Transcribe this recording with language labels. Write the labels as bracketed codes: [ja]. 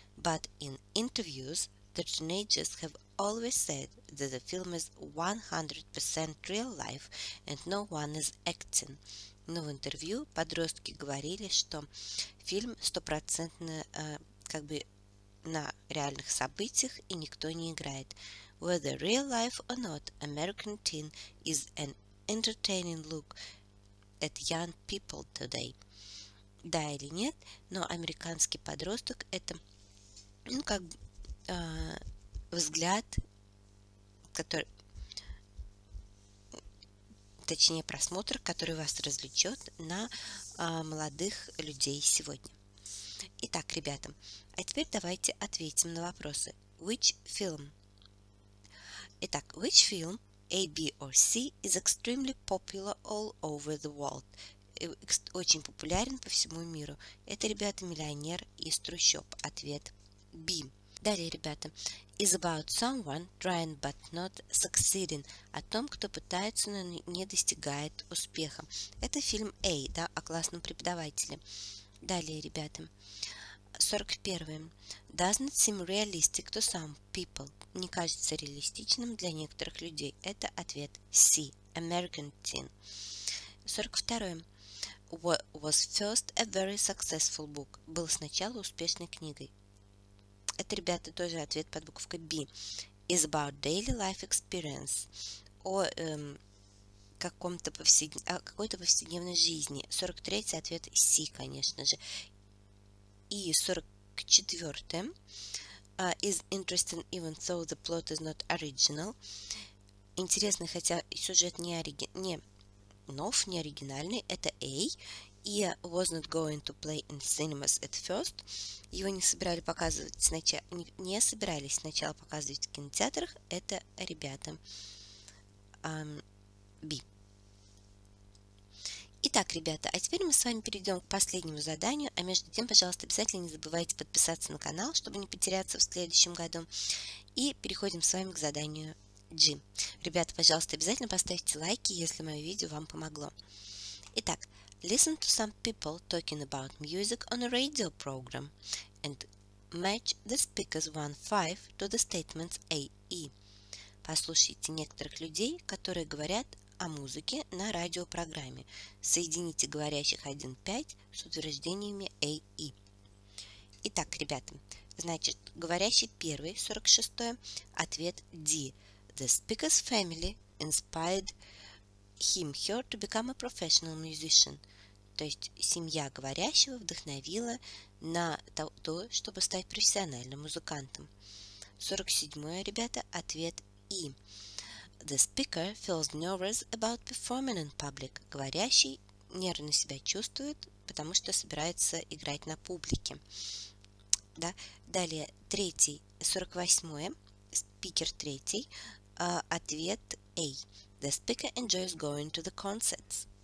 [en] But in interviews, the teenagers have always said that the film is 100% real life and no one is acting. [ru] Но в интервью подростки говорили, что фильм 100% как бы на реальных событиях и никто не играет. [en] Whether real life or not, American Teen is an entertaining look at young people today. [ru] Да или нет, но американский подросток – это, ну, как бы, взгляд, который, точнее, просмотр, который вас развлечет на молодых людей сегодня. Итак, ребята, а теперь давайте ответим на вопросы. [en] Which film? Итак, which film, A, B or C, is extremely popular all over the world? [ru] Очень популярен по всему миру. Это, ребята, «Миллионер из трущоб». Ответ B. Далее, ребята, [en] is about someone trying but not succeeding. [ru] О том, кто пытается, но не достигает успеха. Это фильм A, да, о классном преподавателе. Далее, ребята, 41. [en] Doesn't seem realistic to some people. [ru] Не кажется реалистичным для некоторых людей. Это ответ C, American Teen. 42. [en] Was first a very successful book. [ru] Был сначала успешной книгой. Это, ребята, тоже ответ под буковкой B. [en] Is about daily life experience. [ru] О каком-то какой-то повседневной жизни. 43-й ответ C, конечно же. И 44-й. [en] Is interesting even though the plot is not original. [ru] Интересный, хотя сюжет не оригинальный. Нов, не оригинальный, это A. [en] И was not going to play in cinemas at first. [ru] Его не собирали показывать сначала, не собирались сначала показывать в кинотеатрах. Это, ребята, B. Итак, ребята, а теперь мы с вами перейдем к последнему заданию. А между тем, пожалуйста, обязательно не забывайте подписаться на канал, чтобы не потеряться в следующем году. И переходим с вами к заданию G. Ребята, пожалуйста, обязательно поставьте лайки, если мое видео вам помогло. [en] Итак, listen to some people talking about music on a radio program and match the speakers 1-5 to the statements A E. [ru] Послушайте некоторых людей, которые говорят о музыке на радиопрограмме. Соедините говорящих 1-5 с утверждениями A E. Итак, ребята, значит, говорящий первый, 46-й, ответ D. [en] The speaker's family inspired him, her to become a professional musician. [ru] То есть семья говорящего вдохновила на то, чтобы стать профессиональным музыкантом. 47-е, ребята, ответ E. [en] The speaker feels nervous about performing in public. [ru] Говорящий нервно себя чувствует, потому что собирается играть на публике. Да? Далее, 48-е, спикер третий, ответ A. [en] The speaker enjoys going to the concerts.